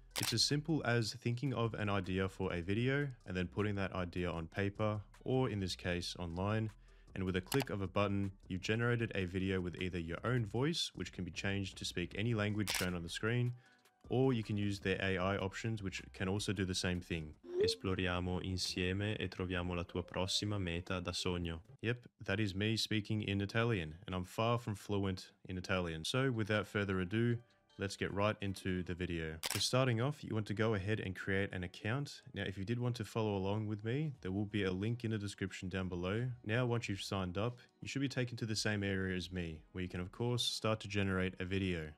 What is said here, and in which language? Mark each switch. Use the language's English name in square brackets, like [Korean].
[English] It's as simple as thinking of an idea for a video and then putting that idea on paper, or in this case, online. And with a click of a button, you've generated a video with either your own voice, which can be changed to speak any language shown on the screen, or you can use their AI options, which can also do the same thing. [Italian] Esploriamo insieme e troviamo la tua prossima meta da sogno. [English] Yep, that is me speaking in Italian, and I'm far from fluent in Italian. So without further ado, let's get right into the video. So starting off, you want to go ahead and create an account. Now, if you did want to follow along with me, there will be a link in the description down below. Now, once you've signed up, you should be taken to the same area as me, where you can, of course, start to generate a video.